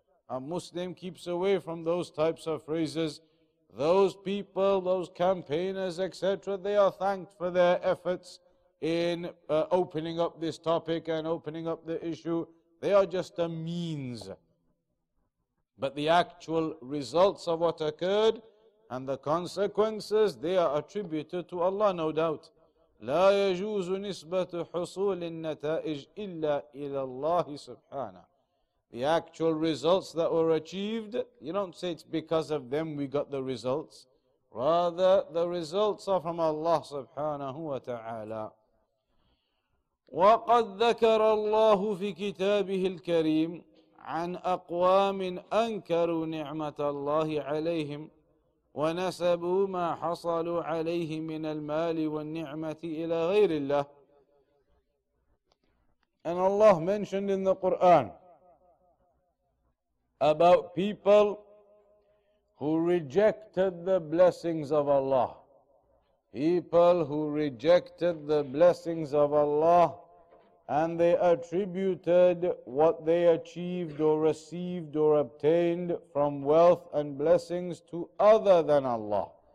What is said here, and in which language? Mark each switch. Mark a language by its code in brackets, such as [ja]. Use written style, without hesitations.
[en] A Muslim keeps away from those types of phrases. Those people, those campaigners, etc., they are thanked for their efforts in opening up this topic and opening up the issue. They are just a means. But the actual results of what occurred and the consequences, they are attributed to Allah, no doubt. [ar] لا يجوز نسبة حصول النتائج إلا إلى الله سبحانه. [en] The actual results that were achieved, you don't say it's because of them we got the results. Rather, the results are from Allah سبحانه وتعالى. [ar] وقد ذكر الله في كتابه الكريم عن أقوام أنكروا نعمة الله عليهم ونسبوا ما حصلوا عليه من المال والنعمة إلى غير الله. [en] And Allah mentioned in the Quran about people who rejected the blessings of Allah. People who rejected the blessings of Allah and they attributed what they achieved or received or obtained from wealth and blessings to other than Allah.